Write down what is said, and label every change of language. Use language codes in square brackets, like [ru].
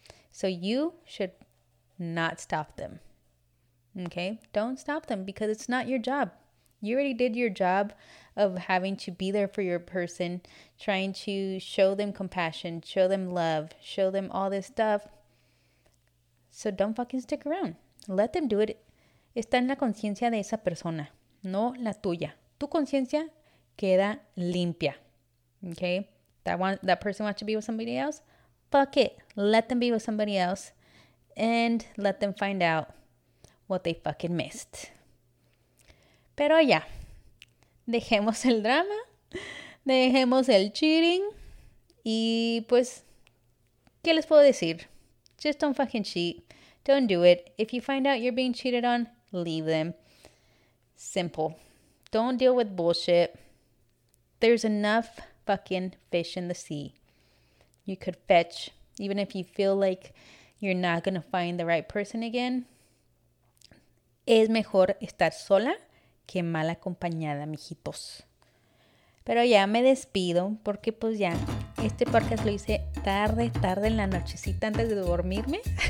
[en] So you should not stop them. Okay, don't stop them because it's not your job. You already did your job of having to be there for your person, trying to show them compassion, show them love, show them all this stuff. So don't fucking stick around. Let them do it. [es] Está en la conciencia de esa persona, no la tuya. Tu conciencia queda limpia. [en] Okay, that person wants to be with somebody else? Fuck it. Let them be with somebody else and let them find out what they fucking missed. [es] Pero ya. Dejemos el drama. Dejemos el cheating. Y pues, ¿qué les puedo decir? [en] Just don't fucking cheat. Don't do it. If you find out you're being cheated on, leave them. Simple. Don't deal with bullshit. There's enough fucking fish in the sea. You could fetch. Even if you feel like you're not gonna find the right person again. [es] Es mejor estar sola que mal acompañada, mijitos. Pero ya me despido porque pues ya, este podcast lo hice tarde en la nochecita antes de dormirme.